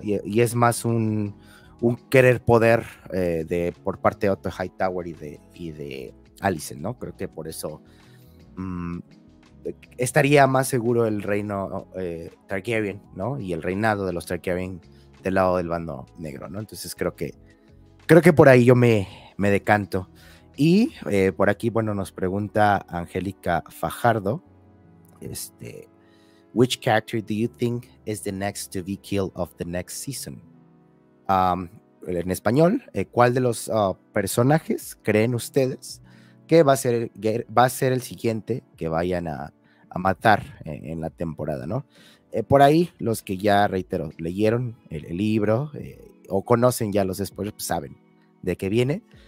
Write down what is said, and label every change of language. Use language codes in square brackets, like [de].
[es] Y es más un querer poder por parte de Otto Hightower y de Alicent, ¿no? Creo que por eso estaría más seguro el reino Targaryen, ¿no? Y el reinado de los Targaryen del lado del bando negro, ¿no? Entonces creo que por ahí yo me decanto. Y por aquí, bueno, nos pregunta [en] Angélica Fajardo, Which character do you think is the next to be killed of the next season? [es] En español, ¿cuál de los personajes creen ustedes que va a ser el siguiente que vayan a matar en la temporada, ¿no? Por ahí, los que ya, reitero, leyeron el libro o conocen ya los spoilers, pues saben de qué viene.